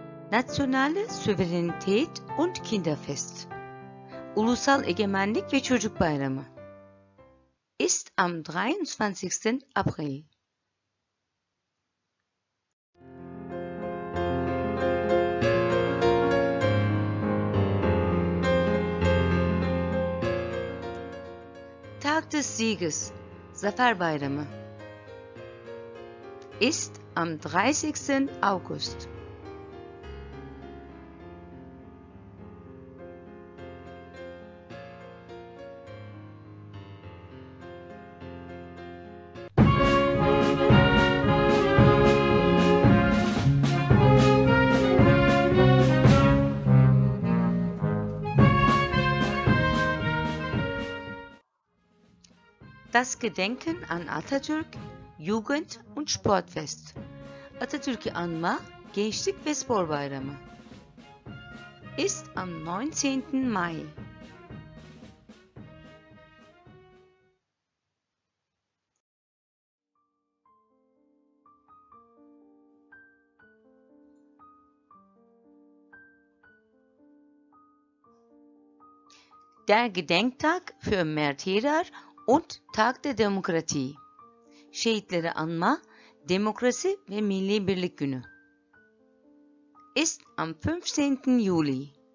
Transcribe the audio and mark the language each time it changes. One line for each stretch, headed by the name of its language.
German: Nationale Souveränität und Kinderfest.
Turkish: Ulusal Egemenlik ve Çocuk Bayramı.
German: Ist am 23. April. Tag des Sieges,
Turkish: Zafer Bayramı.
German: Ist am 30. August. Das Gedenken an Atatürk, Jugend- und Sportfest.
Turkish: Atatürk'ü anma, Gençlik ve Spor Bayramı.
German: Ist am 19. Mai. Der Gedenktag für Märtyrer und Tag der Demokratie.
Turkish: Şehitleri anma, Demokrasi ve Milli Birlik Günü.
German: Ist am 15. Juli.